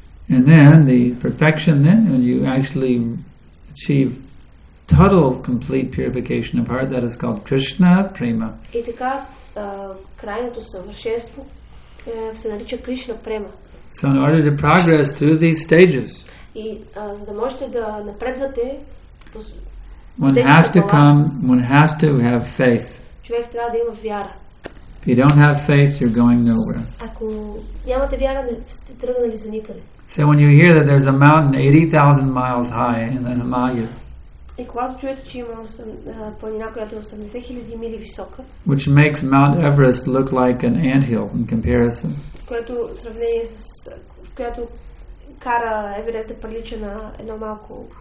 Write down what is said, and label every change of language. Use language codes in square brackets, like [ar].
[en] And then the perfection then, when you actually achieve total complete purification of heart, that is called Krishna prema. [bg] И така крайното съвършенство се нарича Кришна према. [en] So in order to progress through these stages, [bg] и за да можете да напредвате, [en] one has to come, one has to have faith. [bg] човек трябва да има вяра. [en] If you don't have faith, you're going nowhere. [bg] Ако нямате вяра, не сте тръгнали за никъде. [en] So when you hear that there's a mountain 80,000 miles high in the Himalayas, [bg] и когато чуете, че има планина, която е 80 000 мили висока, [en] which makes Mount Everest look like an anthill in comparison, [bg] което сравнение с която кара Еверест да прилича на едно малко,